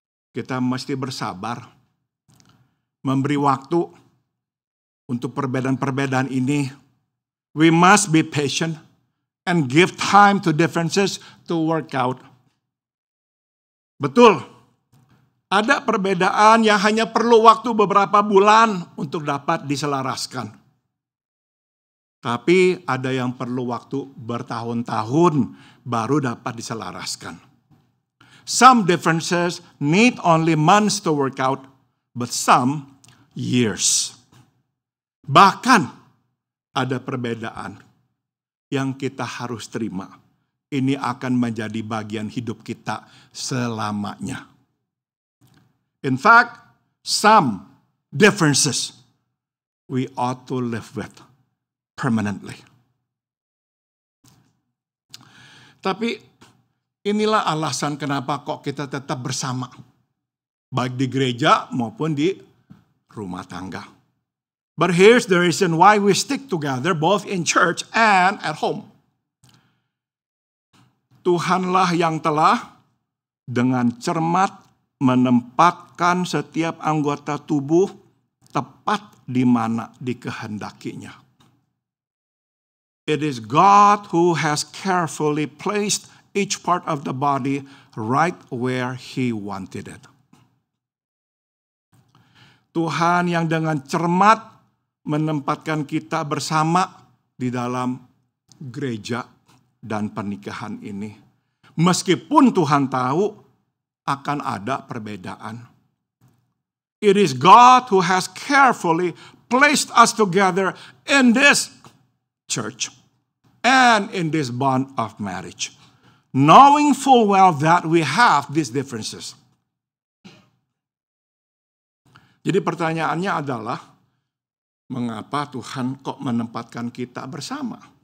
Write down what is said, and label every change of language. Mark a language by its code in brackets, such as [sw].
[id] Kita mesti bersabar, memberi waktu untuk perbedaan-perbedaan ini. [en] We must be patient and give time to differences to work out. [id] Betul. Ada perbedaan yang hanya perlu waktu beberapa bulan untuk dapat diselaraskan. Tapi ada yang perlu waktu bertahun-tahun baru dapat diselaraskan. [en] Some differences need only months to work out, but some years. [id] Bahkan ada perbedaan yang kita harus terima. Ini akan menjadi bagian hidup kita selamanya. [en] In fact, some differences we ought to live with permanently. [id] Tapi inilah alasan kenapa kok kita tetap bersama, baik di gereja maupun di rumah tangga. [en] But here's the reason why we stick together both in church and at home. [id] Tuhanlah yang telah dengan cermat menempatkan setiap anggota tubuh tepat di mana dikehendakinya. [en] It is God who has carefully placed each part of the body right where he wanted it. [id] Tuhan yang dengan cermat menempatkan kita bersama di dalam gereja dan pernikahan ini. Meskipun Tuhan tahu akan ada perbedaan. [en] It is God who has carefully placed us together in this church and in this bond of marriage. knowing full well that we have these differences. [id] Jadi pertanyaannya adalah, mengapa Tuhan kok menempatkan kita bersama?